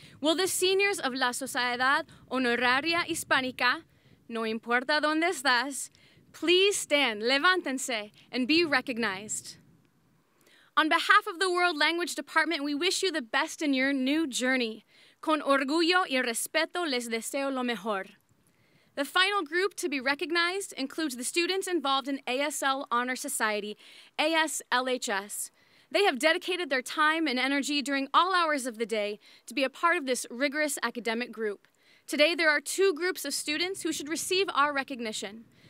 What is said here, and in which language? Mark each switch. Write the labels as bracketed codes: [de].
[en] Will the seniors of La Sociedad Honoraria Hispánica, [es] no importa dónde estás, [en] please stand, [es] levántense, [en] and be recognized. On behalf of the World Language Department, we wish you the best in your new journey. [es] Con orgullo y respeto les deseo lo mejor. [en] The final group to be recognized includes the students involved in ASL Honor Society, ASLHS. They have dedicated their time and energy during all hours of the day to be a part of this rigorous academic group. Today, there are two groups of students who should receive our recognition.